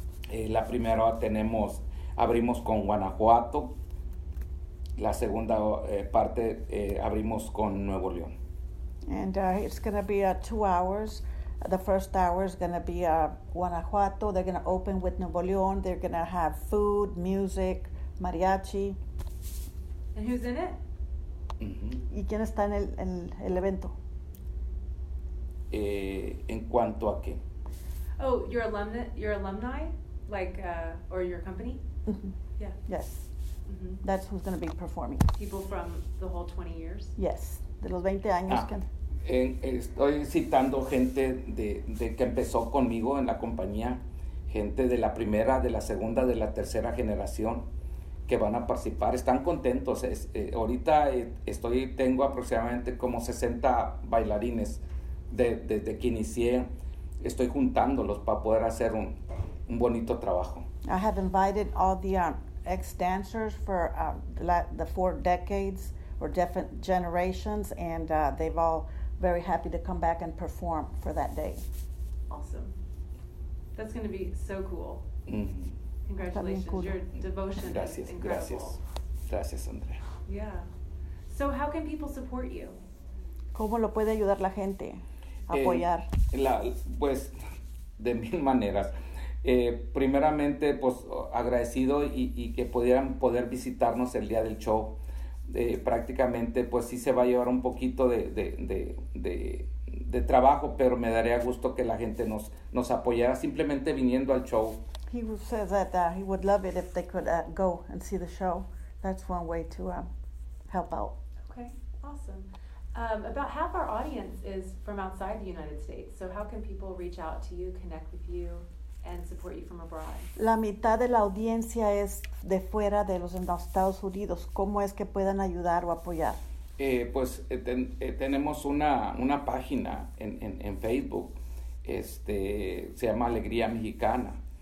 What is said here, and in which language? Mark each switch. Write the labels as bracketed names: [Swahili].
[Spanish] La primera abrimos con Guanajuato, la segunda parte abrimos con Nuevo León. [English] And it's going to be 2 hours. The first hour is going to be Guanajuato. They're going to open with Nuevo León. They're going to have food, music, mariachi. And who's in it? [Spanish] ¿Y quién está en el evento? ¿En cuanto a qué? [English] Oh, your alumni? Or your company? Mm-hmm. Yeah. Yes. Mm-hmm. That's who's going to be performing. People from the whole 20 years? [Spanish] Yes. De los 20 años. Estoy citando gente de que empezó conmigo en la compañía, gente de la primera, de la segunda, de la tercera generación que van a participar. Están contentos. Tengo aproximadamente como 60 bailarines desde que inicié. Estoy juntándolos para poder hacer un bonito trabajo. [English] I have invited all the ex-dancers for the 4 decades or different generations, and they've all very happy to come back and perform for that day. Awesome. That's going to be so cool. Mm-hmm. Congratulations. Cool. Your devotion [Spanish] gracias, [English] is incredible. [Spanish] Gracias. Gracias, Andrea. [English] Yeah. So how can people support you? [Spanish] ¿Cómo lo puede ayudar la gente? Apoyar. Pues, de mil maneras. Primeramente, pues, agradecido y que pudieran poder visitarnos el día del show. Prácticamente, pues, sí se va a llevar un poquito de trabajo, pero me daría gusto que la gente nos apoyara simplemente viniendo al show. [English] He says that he would love it if they could go and see the show. That's one way to help out. Okay, awesome. About half our audience is from outside the United States, so how can people reach out to you, connect with you? And support you from abroad. [Spanish] La mitad de la audiencia es de fuera de los Estados Unidos. ¿Cómo es que puedan ayudar o apoyar? Tenemos una página en Facebook. Se llama Alegría Mexicana.